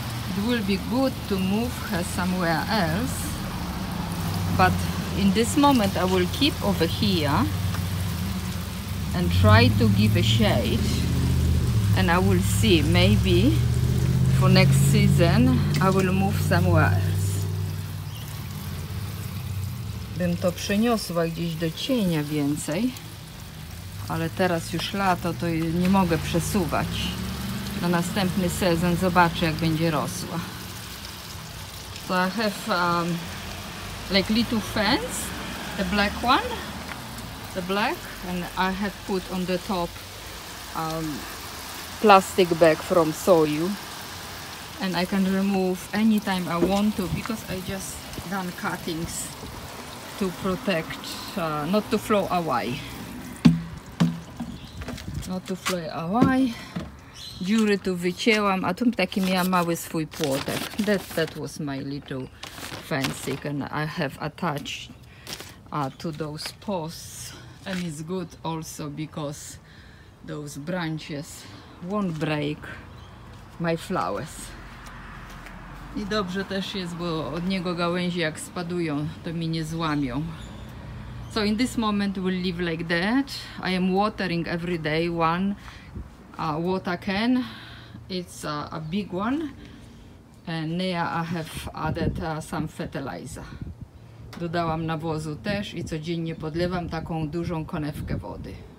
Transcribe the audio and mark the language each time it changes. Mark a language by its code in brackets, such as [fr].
[en] It will be good to move her somewhere else, but in this moment I will keep over here and try to give a shade, and I will see, maybe for next season I will move somewhere else. [pl] Bym to przeniosła gdzieś do cienia więcej. Ale teraz już lato, to nie mogę przesuwać. Na następny sezon zobaczę, jak będzie rosła. [en] So I have like little fence, the black one, the black, and I have put on the top plastic bag from Soyu, and I can remove anytime I want to, because I just done cuttings to protect, not to flow away. Not to fly away. [pl] Dziury tu wycięłam, a tu taki miałam mały swój płotek. [en] That was my little fancy, and I have attached to those posts. And it's good also, because those branches won't break my flowers. [pl] I dobrze też jest, bo od niego gałęzie jak spadują, to mi nie złamią. [en] So in this moment we'll leave like that. I am watering every day one water can. It's a big one. And now I have added some fertilizer. [pl] Dodałam nawozu też i codziennie podlewam taką dużą konewkę wody.